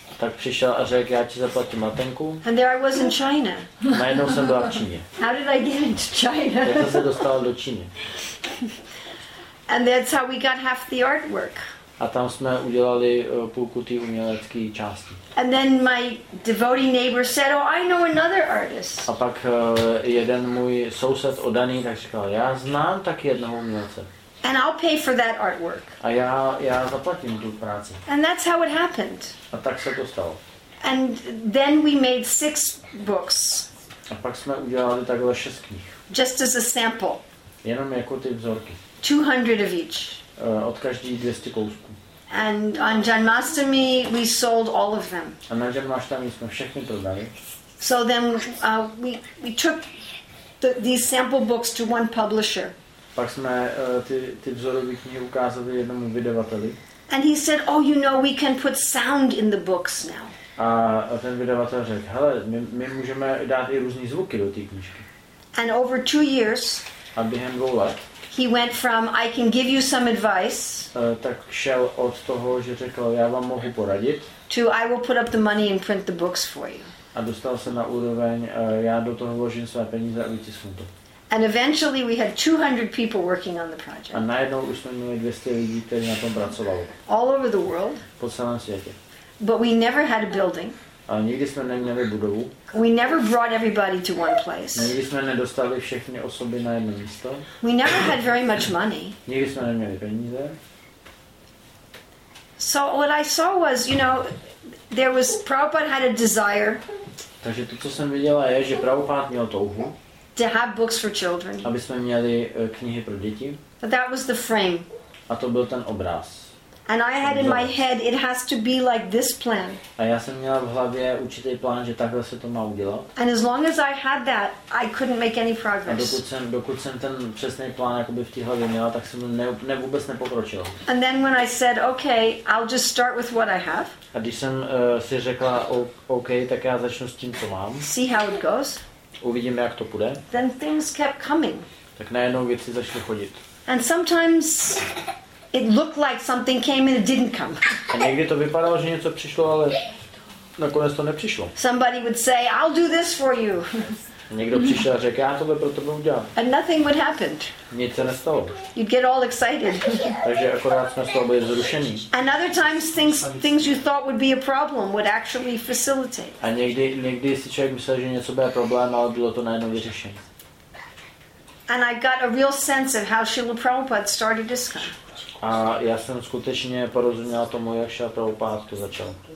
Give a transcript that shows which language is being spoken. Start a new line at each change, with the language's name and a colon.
Czech: Tak přišel a řekl, já ti zaplatím letenku.
English: And there I was in China.
Czech: Najednou jsem byla v Číně.
English: How did I get into China?
Czech: Jak se dostala do Číny?
English: And that's how we got half the artwork.
Czech: A tam jsme udělali půlku té umělecké části.
English: And then my devotee neighbor said, oh, I know another artist.
Czech: A pak jeden můj soused oddaný tak říkal, já znám taky jednoho umělce.
English: And I'll pay for that artwork.
Czech: A já zaplatím tu práci.
English: And that's how it happened.
Czech: A tak se to stalo.
English: And then we made 6 books.
Czech: A pak jsme udělali takhle 6 knih.
English: Just as a sample.
Czech: Jenom jako ty vzorky.
English: 200 of each.
Czech: Od každý 200 kousků.
English: And on Janmashtami we sold all of them.
Czech: A na Janmashtami jsme všechny prodali.
English: So then we took these sample books to one publisher.
Czech: Pak jsme ty vzorové knihy ukázali jednomu vydavateli.
English: And he said, oh, you know, we can put sound in the books now.
Czech: A ten vydavatel řekl, hele, my můžeme dát i různý zvuky do té knížky.
English: And over 2 years.
Czech: A během 2 let.
English: He went from I can give you some advice.
Czech: Tak šel od toho, že řekl, já vám mohu poradit.
English: To I will put up the money and print the books for you.
Czech: A dostal se na úroveň, já do toho vložím své peníze a vytisknu to.
English: And eventually we had 200 people working on the project.
Czech: A najednou už jsme měli 200 lidí, kteří na tom pracovali.
English: All over the world.
Czech: Po celém světě.
English: But we never had a building.
Czech: Ale nikdy jsme neměli budovu.
English: We never brought everybody to one place.
Czech: Nikdy jsme nedostali všechny osoby na jedno místo.
English: We never had very much money.
Czech: Nikdy jsme neměli peníze.
English: So what I saw was, you know, there was Prabhupada had a desire.
Czech: Takže to, co jsem viděla, je, že Prabhupada měl touhu.
English: To have books for children.
Czech: Aby jsme měli knihy pro děti.
English: But that was the frame.
Czech: A to byl ten obraz.
English: And I had in my head it has to be like this plan.
Czech: A já jsem měla v hlavě určitý plán, že takhle se to má udělat.
English: And as long as I had that, I couldn't make any progress.
Czech: A dokud jsem ten přesný plán jakoby v té hlavě měla, tak jsem vůbec nepokročila.
English: And then when I said, okay, I'll just start with what I have.
Czech: A když jsem si řekla, okay, tak já začnu s tím, co mám.
English: See how it goes.
Czech: Uvidíme, jak to půjde.
English: Then things kept coming.
Czech: Tak najednou věci začaly chodit.
English: And sometimes it looked like something came and it didn't come.
Czech: A někdy to vypadalo, že něco přišlo, ale nakonec to nepřišlo.
English: Somebody would say, I'll do this for you.
Czech: A někdo přišel a řekl, já tohle pro tebe udělám.
English: And nothing would happen.
Czech: Nic se nestalo.
English: You'd get all excited.
Czech: Takže akorát jsme z toho byli zrušení.
English: And other times things you thought would be a problem would actually facilitate.
Czech: A někdy si člověk myslel, že něco bude problém, ale bylo to najednou vyřešení.
English: And I got a real sense of how Srila Prabhupada started this kind.
Czech: A já jsem skutečně porozuměla tomu, jak Srila Prabhupada začal.